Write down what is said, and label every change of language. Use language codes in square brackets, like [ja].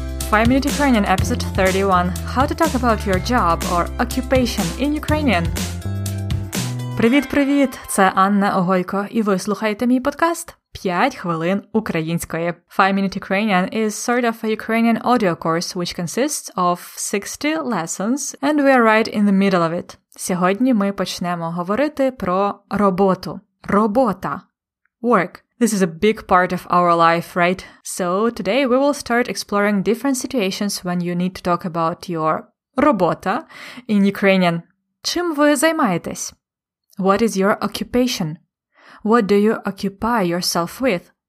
[en] 5 Minute Ukrainian Episode 31 – How to talk about your job or occupation in Ukrainian. [uk] Привіт-привіт! Це Анна Огойко, і ви слухаєте мій подкаст «5 хвилин української». [en] 5 Minute Ukrainian is sort of a Ukrainian audio course, which consists of 60 lessons, and we are right in the middle of it. [uk] Сьогодні ми почнемо говорити про роботу. Робота. [en] Work. This is a big part of our life, right? So today we will start exploring different situations when you need to talk about your робота in Ukrainian. [uk] Чим ви займаєтесь? [en] What is your occupation? What do you occupy yourself with?